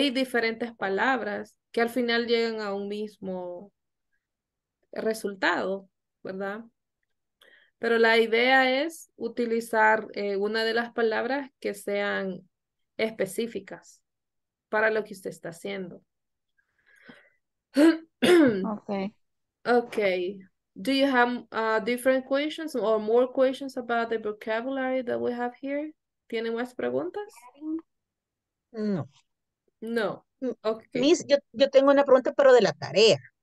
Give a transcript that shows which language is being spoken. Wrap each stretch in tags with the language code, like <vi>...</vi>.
<es>Diferentes palabras que al final llegan a un mismo resultado, ¿verdad? Pero la idea es utilizar una de las palabras que sean específicas para lo que usted está haciendo. Ok.</es> <en>Do you have different questions or more questions about the vocabulary that we have here?</en> <es>¿Tienen más preguntas? No. No. Okay. Miss, yo tengo una pregunta, pero de la tarea.</es>